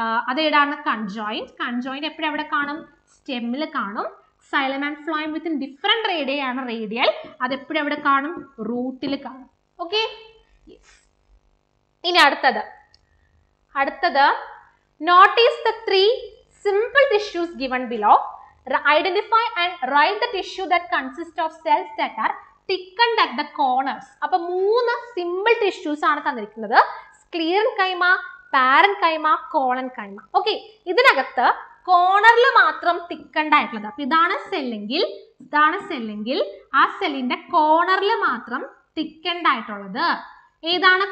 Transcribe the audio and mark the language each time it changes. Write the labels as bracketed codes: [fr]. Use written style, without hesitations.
[ml] അതേടാണ് conjoint. Conjoint എപ്പോഴും അവിടെ കാണും, സ്റ്റെമ്മിൽ കാണും. Xylem [en] and phloem within different radial [ml] ആണ് റേഡിയൽ. അതെപ്പോഴും അവിടെ കാണും, റൂട്ടിൽ കാണും. ഓക്കെ, ഇനി അടുത്തത്, അടുത്തത്, [en] Notice the three simple tissues given below. Identify and write the tissue that consists of cells that are thickened at the corners. [ml] അപ്പോൾ മൂന്ന് സിമ്പിൾ ടിഷ്യൂസ് ആണ് തന്നിരിക്കുന്നത്, സ്ക്ലീറൻ കൈമ, പാരൻ കൈമ, കോളൻ കൈമ. ഓക്കെ, ഇതിനകത്ത് കോർണറിൽ മാത്രം തിക്കണ്ട ആയിട്ടുള്ളത്, അപ്പൊ ഇതാണ് സെല്ലെങ്കിൽ, ഇതാണ് സെല്ലെങ്കിൽ ആ സെല്ലിന്റെ കോർണറിൽ മാത്രം തിക്കണ്ട ആയിട്ടുള്ളത് ഏതാണ്?